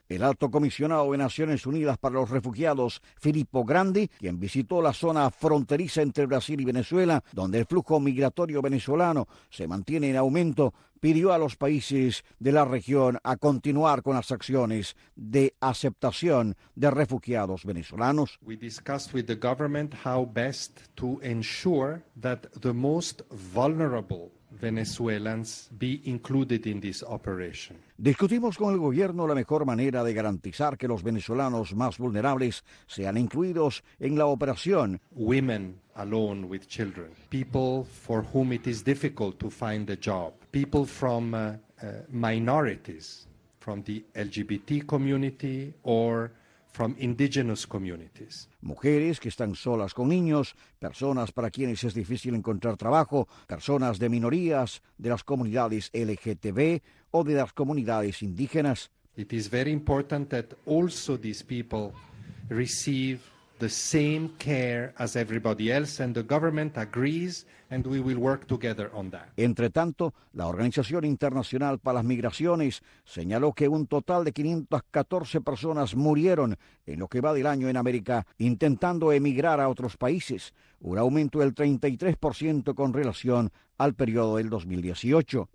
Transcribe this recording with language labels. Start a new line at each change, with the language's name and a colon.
Spanish: El alto comisionado de Naciones Unidas para los Refugiados, Filippo Grandi, quien visitó la zona fronteriza entre Brasil y Venezuela, donde el flujo migratorio venezolano se mantiene en aumento, pidió a los países de la región a continuar con las acciones de aceptación de refugiados venezolanos.
English: We discussed with the government how best to ensure that the most vulnerable Venezuelans be included in this operation.
Spanish: Discutimos con el gobierno la mejor manera de garantizar que los venezolanos más vulnerables sean incluidos en la operación.
English: Women alone with children, people for whom it is difficult to find a job, people from minorities, from the LGBT community or from indigenous communities.
Spanish: Mujeres que están solas con niños, personas para quienes es difícil encontrar trabajo, personas de minorías, de las comunidades LGTB o de las comunidades indígenas.
English: It is very important that also these people receive the same care as everybody else, and the government agrees, and we will work together on that.
Spanish: Entre tanto, la Organización Internacional para las Migraciones señaló que un total de 514 personas murieron en lo que va del año en América intentando emigrar a otros países, un aumento del 33% con relación al periodo del 2018.